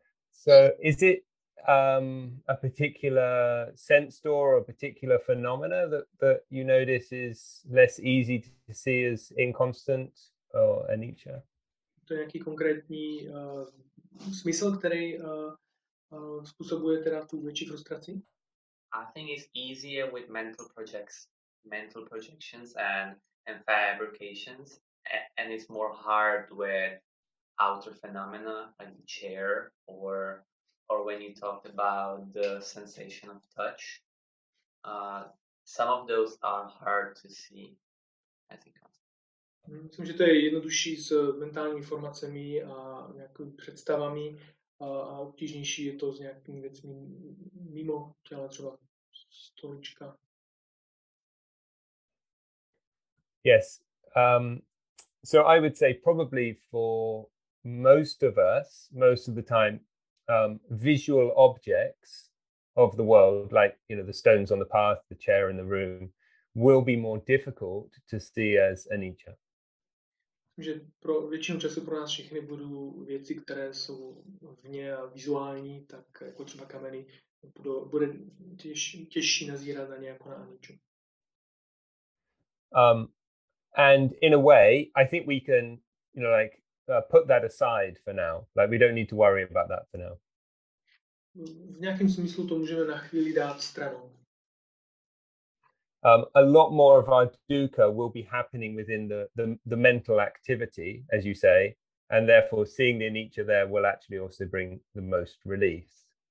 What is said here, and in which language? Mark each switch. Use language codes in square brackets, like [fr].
[en] So is it a particular sense door or a particular phenomena that you notice is less easy to see as inconstant or a Nietzsche? [cs] To je nějaký konkrétní smysl, který způsobuje teda tu větší frustraci? [en] I think it's easier with mental projections and fabrications, and it's more hard with outer phenomena like the chair or when you talked about the sensation of touch. Some of those are hard to see, I think. [cs] Myslím, že to je jednodušší s mentálními formacemi a nějakými představami, a obtížnější je to s nějakými věcmi mimo těla, třeba stolička. [en] Yes. So I would say probably for most of us, most of the time, visual objects of the world, like, you know, the stones on the path, the chair in the room, will be more difficult to see as anicca. [cs] Že pro většinu času pro nás všechny budou věci, které jsou vně a vizuální, tak jako třeba kameny, bude těžší nazírat na ně jako na aničo. [en] And in a way, I think we can, you know, like put that aside for now. Like we don't need to worry about that for now. [cs] V nějakém smyslu to můžeme na chvíli dát stranou. [en] A lot more of our dukkha will be happening within the mental activity, as you say, and therefore seeing the anicca there will actually also bring the most release.